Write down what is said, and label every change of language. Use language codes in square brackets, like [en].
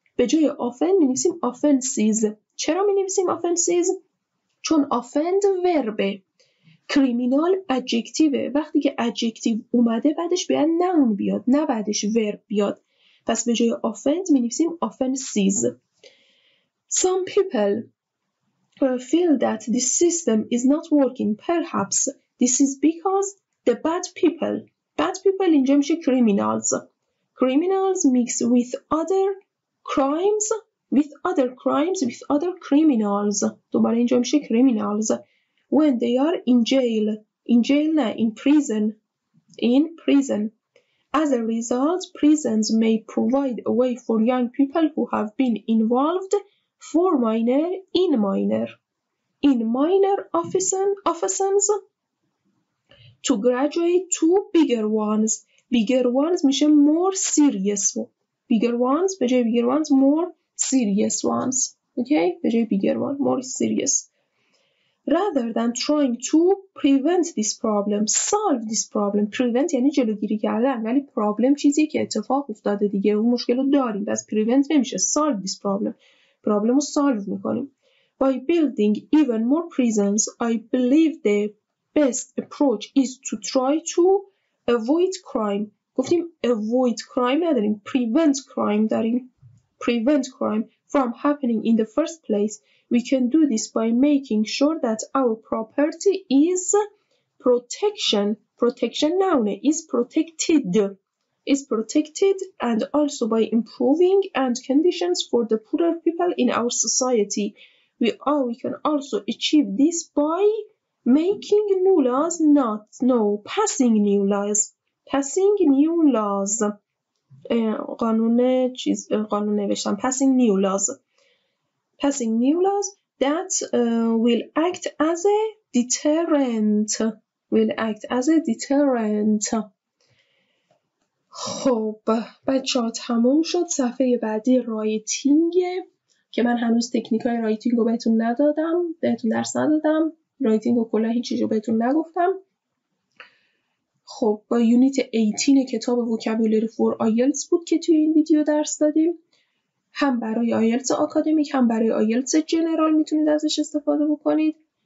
[fa] به جای offend می نویسیم offenses. چرا می نویسیم offenses؟ چون offend verbه. کریمینال ادجکتیوه. وقتی که ادجکتیو اومده بعدش باید نون بیاد، نه بعدش ورب بیاد. پس به جای offend می نویسیم offenses. [en] Some people feel that this system is not working. Perhaps this is because the bad people. Bad people [fa] اینجا میشه [en] criminals. Criminals mix with other crimes. With other crimes, with other criminals. [fa] دوباره اینجا میشه criminals. [en] When they are in jail. In jail نه, in prison. In prison. As a result, prisons may provide a way for young people who have been involved for minor, in minor. In minor offenses to graduate to bigger ones. Bigger ones [fa] میشه [en] more serious. Bigger ones, [fa] به جای [en] bigger ones, more serious ones. Okay? [fa] به جای [en] bigger ones, more serious. Rather than trying to prevent this problem, solve this problem. [fa] Prevent یعنی جلوگیری کردن. ولی problem چیزیه که اتفاق افتاده دیگه. اون مشکل رو داریم. بس prevent نمیشه. [en] Solve this problem. [fa] Problem رو solve میکنیم. [en] By building even more prisons, I believe the best approach is to try to avoid crime. [fa] گفتیم avoid crime نداریم. [en] Prevent crime [fa] داریم. [en] Prevent crime from happening in the first place. We can do this by making sure that our property is protection. Protection noun is protected. Is protected and also by improving and conditions for the poorer people in our society. We can also achieve this by making new laws, passing new laws. Passing new laws. [fa] قانون نوشتم. [en] Passing new laws. Passing new laws that will act as a deterrent. Will act as a deterrent. [fa] خب بچه ها تموم شد صفحه بعدی رایتینگه که من هنوز تکنیک های رایتینگ رو بهتون ندادم، بهتون درس ندادم، رایتینگ رو کلا هیچ چیز رو بهتون نگفتم. خب با یونیت 18 کتاب وکابولری فور آیلتس بود که توی این ویدیو درس دادیم، هم برای آیلتس آکادمیک هم برای آیلتس جنرال میتونید ازش استفاده بکنید.